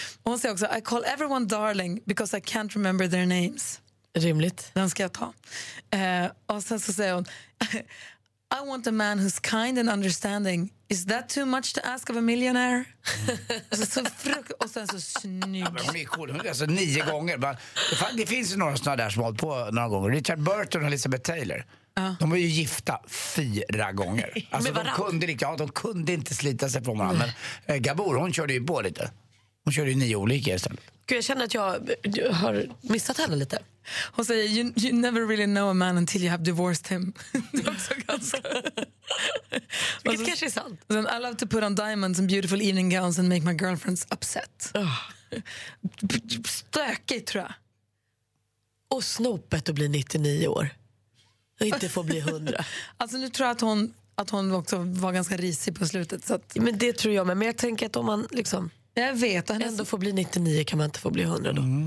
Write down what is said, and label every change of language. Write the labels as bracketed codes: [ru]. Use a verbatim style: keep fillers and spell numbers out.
[sv] Hon säger också, [en] I call everyone darling because I can't remember their names. [sv] Rimligt. Den ska jag ta. Eh, och sen så säger hon, [en] I want a man who's kind and understanding. Is that too much to ask of a millionaire? Mm. [sv] Alltså, så fruk- och sen så snygg. Ja, hon är cool. Alltså, nio gånger. Men det finns ju några sådana där som har hållit på några gånger. Richard Burton och Elizabeth Taylor. Uh. De var ju gifta fyra gånger. Alltså, de, kunde, ja, de kunde inte slita sig från varandra. Mm. Men eh, Gabor, hon körde ju på lite. Hon körde ju nio olika istället. Gud, jag känner att jag har missat henne lite. Hon säger, [en] you, you never really know a man until you have divorced him. [sv] Det är också ganska... Vilket så, kanske är sant. Sen, [en] I love to put on diamonds and beautiful evening gowns and make my girlfriends upset. [sv] Oh. Stökigt, tror jag. Och snopet att bli nittionio år. Och inte få bli hundra. Alltså nu tror jag att hon, att hon också var ganska risig på slutet. Så att... Men det tror jag med. Men jag tänker att om man liksom... Jag vet. Hennes... Ändå får bli nittionio kan man inte få bli hundra då. Mm.